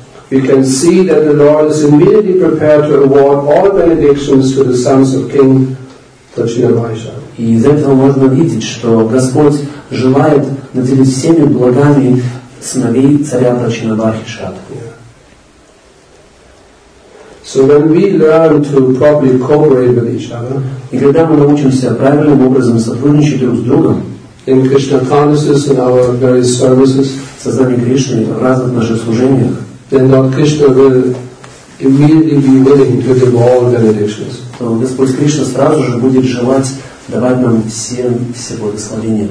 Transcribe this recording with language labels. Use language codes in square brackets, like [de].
[en] We can see that the Lord is immediately prepared to award all benedictions to the sons of King Pachinabhahishar. [ru] И из этого можно видеть, что Господь желает наделить всеми благами сыновей царя Пачинабхахишар. [en] So when we learn to properly cooperate with each other, [ru] и когда мы научимся правильным образом сотрудничать друг с другом, [en] in Krishna consciousness in our various services, [ru] сознание Кришны в разных наших служениях, [en] then Lord Krishna will immediately be willing to give all benedictions. [ru] То Господь Кришна сразу же будет желать давать нам все благословения.